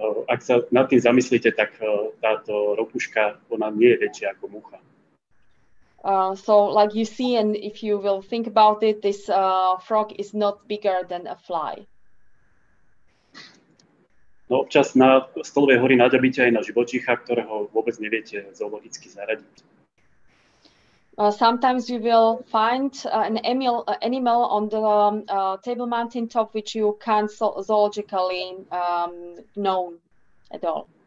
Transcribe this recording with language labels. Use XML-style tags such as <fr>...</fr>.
<sk>Ak sa nad tým zamyslíte, tak táto ropuška, ona nie je väčšia ako mucha.</sk> <en>So like you see and if you will think about it, this frog is not bigger than a fly.</en> <sk>No občas na stolovej hory nájdete aj na živočícha, ktorého vôbec neviete zoologicky zaradiť.</sk> <en>Sometimes you will find an animal on the table mountain top which you can't zoologically know at all.</en>